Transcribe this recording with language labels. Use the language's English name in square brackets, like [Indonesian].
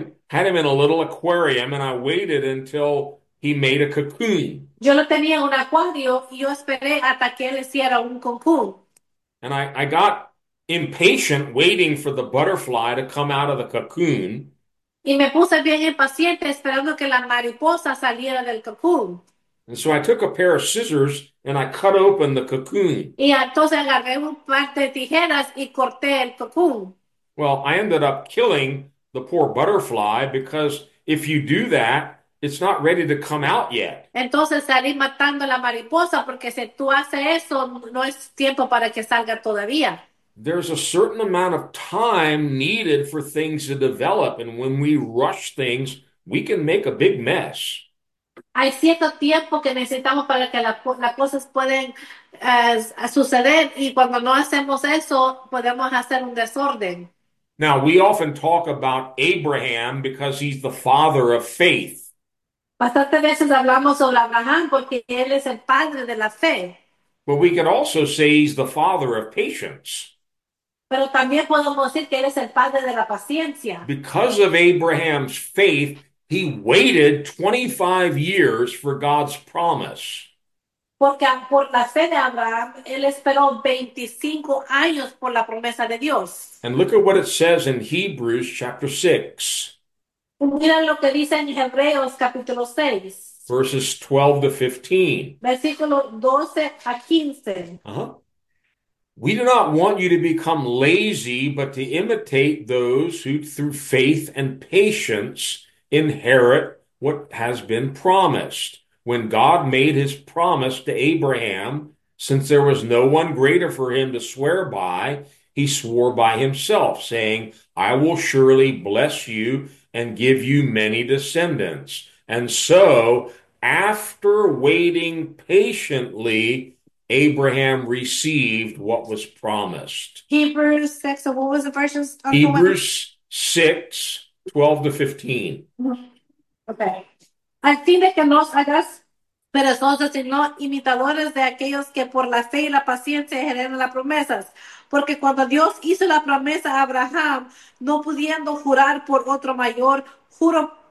[English] had him in a little aquarium, and I waited until he made a cocoon. [Spanish] Yo lo tenía en un acuario y yo esperé hasta que él hiciera un cocoon. [English] And I got impatient waiting for the butterfly to come out of the cocoon. [Spanish] Y me puse bien impaciente esperando que la mariposa saliera del cocoon. [English] And so I took a pair of scissors and I cut open the cocoon. [Spanish] Y entonces agarré un par de tijeras y corté el cocoon. [English] Well, I ended up killing the poor butterfly because if you do that, it's not ready to come out yet. [Spanish] Entonces salí matando a la mariposa porque si tú haces eso, no es tiempo para que salga todavía. [English] There's a certain amount of time needed for things to develop, and when we rush things, we can make a big mess. [Spanish] Hay cierto tiempo que necesitamos para que las cosas pueden suceder y cuando no hacemos eso, podemos hacer un desorden. [English] Now, we often talk about Abraham because he's the father of faith. [Spanish] Bastantes veces hablamos sobre Abraham porque él es el padre de la fe. [English] But we could also say he's the father of patience. [Spanish] Pero también podemos decir que él es el padre de la paciencia. [English] Because of Abraham's faith, he waited 25 years for God's promise. [Spanish] Porque por la fe de Abraham, él esperó 25 años por la promesa de Dios. [English] And look at what it says in Hebrews chapter 6, [Spanish] Mira lo que dice en Hebreos capítulo 6, [English] verses 12 to 15. [Spanish] versículo 12 a 15. [English] We do not want you to become lazy, but to imitate those who, through faith and patience, inherit what has been promised. When God made his promise to Abraham, since there was no one greater for him to swear by, he swore by himself, saying, "I will surely bless you and give you many descendants." And so, after waiting patiently, Abraham received what was promised. Hebrews 6, so what was the verses, Uncle Wendell? Hebrews 6, 12 to 15. Okay. [Spanish] Al fin de que no os hagáis perezosos, sino imitadores de aquellos que por la fe y la paciencia heredan las promesas. Porque cuando Dios hizo la promesa a Abraham, no pudiendo jurar por otro mayor, juró